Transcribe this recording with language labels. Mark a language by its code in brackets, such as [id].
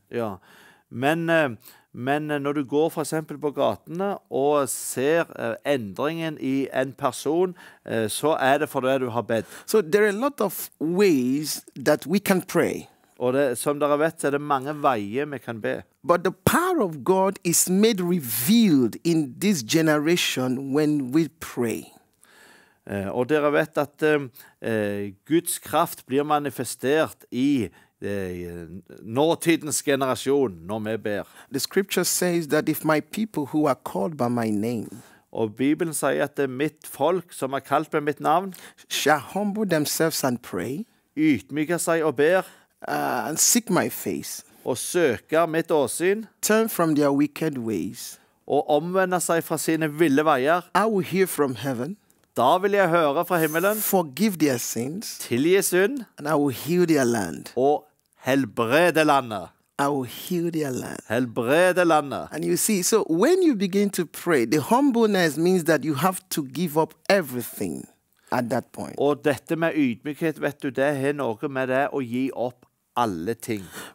[no] Ja. Men når du går for eksempel på gatene og ser endringen I en person, så det for det du har bedt. [en] So there are a lot of ways that we can pray. [no] Og det, som dere vet, det mange veier vi kan be. [en] But the power of God is made revealed in this generation when we pray. [no] Og dere vet at Guds kraft blir manifestert I nåtidens generasjon når vi ber. [en] The scripture says that if my people who are called by my name, [no] og Bibelen sier at det mitt folk som kalt med mitt navn, [en] shall humble themselves and pray, [no] ytmyker seg og ber, [en] And seek my face, [no] og søker mitt åsyn, [en] turn from their wicked ways, [no] og omvender seg fra sine ville veier, [en] I will hear from heaven, [no] da vil jeg høre fra himmelen, [en] forgive their sins, [no] tilgi synd, [en] and I will heal their land, [no] og helbrede landet. [en] I will heal their land. [no] Helbrede landet. [en] And you see, so when you begin to pray, the humbleness means that you have to give up everything. At that point. [no] Og dette med ydmykhet, vet du, det noe med det å gi opp alle ting.